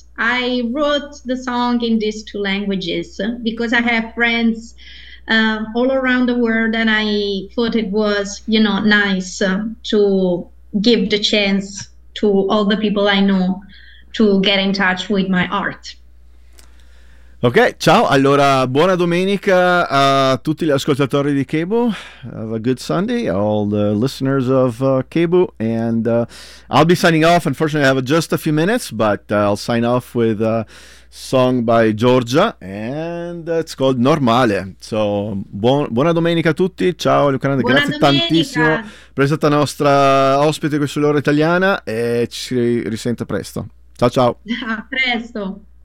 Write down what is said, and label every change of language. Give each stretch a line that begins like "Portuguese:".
English: I wrote the song in these two languages because I have friends all around the world, and I thought it was, you know, nice to give the chance to all the people I know to get in touch with my art.
Italian: Okay, ciao. Allora, buona domenica a tutti gli ascoltatori di KBOO.
English: Have a good Sunday, all the listeners of KBOO. And I'll be signing off. Unfortunately, I have just a few minutes, but I'll sign off with a song by Giorgia, and it's called Normale.
Italian: So, buona domenica a tutti. Ciao, Alucandra. Buona Grazie domenica. Tantissimo per essere stata nostra ospite qui sull'ora italiana, e ci si risente presto. Ciao, ciao. A presto.